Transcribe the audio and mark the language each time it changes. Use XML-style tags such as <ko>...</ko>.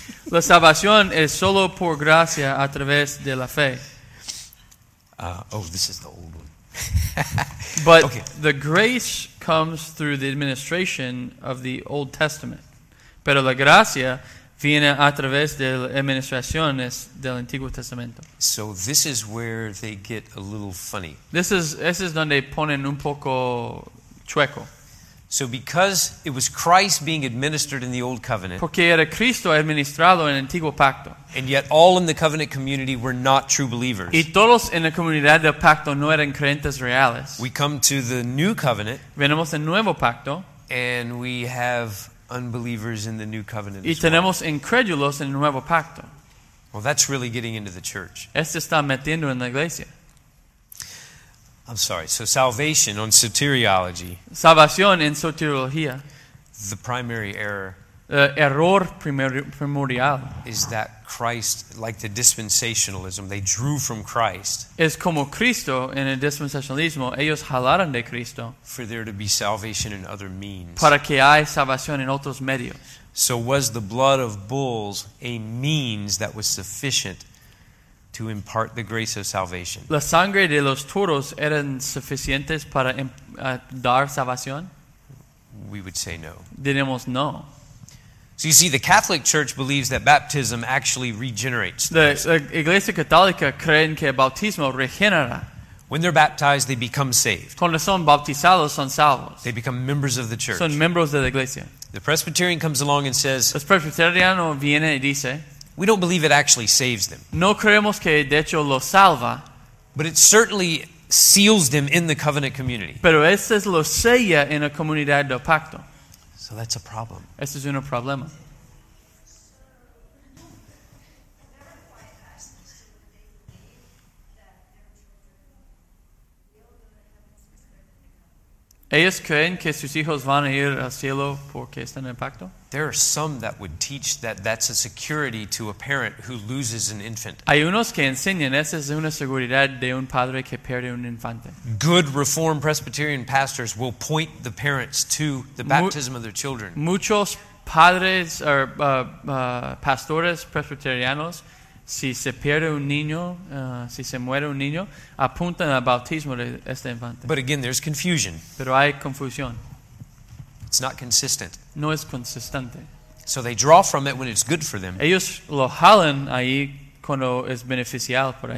<es>La salvación es solo por gracia a través de la fe.</es> <en>Oh, this is the old one. But okay. The grace comes through the administration of the Old Testament.</en> <es>Pero la gracia viene a través de las administraciones del Antiguo Testamento.</es> <en>So this is where they get a little funny. This is</en> <es>donde ponen un poco chueco.</es> <en>So because it was Christ being administered in the Old Covenant,</en> <es>porque era Cristo administrado en el Antiguo Pacto,</es> <en>and yet all in the covenant community were not true believers,</en> <es>y todos en la comunidad del pacto no eran creyentes reales,</es> <en>we come to the New Covenant,</en> <es>venimos al Nuevo Pacto,</es> <en>and we have unbelievers in the New Covenant,</en> <es>y tenemos incrédulos en el Nuevo Pacto.</es> <en>Well, that's really getting into the church.</en> <es>Esto está metiendo en la iglesia.</es> <en>I'm sorry. So salvation on soteriology.</en> <es>Salvación en soteriología.</es> <en>The primary error.</en> <es>Error primordial.</es> <en>Is that Christ, like the dispensationalism, they drew from Christ.</en> <es>Es como Cristo en el dispensacionalismo, ellos jalaron de Cristo.</es> <en>For there to be salvation in other means.</en> <es>Para que haya salvación en otros medios.</es> <en>So was the blood of bulls a means that was sufficient to impart the grace of salvation?</en> <es>La sangre de los toros eran suficientes para dar salvación?</es> <en>We would say no.</en> <es>Diremos no.</es> <en>So you see, the Catholic Church believes that baptism actually regenerates.</en> <es>La Iglesia Católica creen que el bautismo regenera.</es> <en>When they're baptized, they become saved.</en> <es>Cuando son bautizados, son salvos.</es> <en>They become members of the church.</en> <es>Son miembros de la iglesia.</es> <en>The Presbyterian comes along and says,</en> <es>el presbiteriano viene y dice,</es> <en>we don't believe it actually saves them.</en> <es>No creemos que de hecho lo salva.</es> <en>But it certainly seals them in the covenant community.</en> <es>Pero eso es lo sella en la comunidad del pacto.</es> <en>So that's a problem.</en> <es>Eso es un problema. ¿Ellos creen que sus hijos van a ir al cielo porque están en el pacto?</es> <en>There are some that would teach that that's a security to a parent who loses an infant.</en> <es>Hay unos que enseñan, esa es una seguridad de un padre que pierde un infante.</es> <en>Good Reformed Presbyterian pastors will point the parents to the baptism of their children.</en> <es>Muchos padres o pastores presbiterianos, si se pierde un niño, si se muere un niño, apuntan al bautismo de este infante.</es> <en>But again, there's confusion.</en> <es>Pero hay confusión.</es> <en>It's not consistent.</en> <es>No es consistente.</es> <en>So they draw from it when it's good for them.</en> <es>Ellos lo jalan ahí cuando es beneficial para ellos.</es>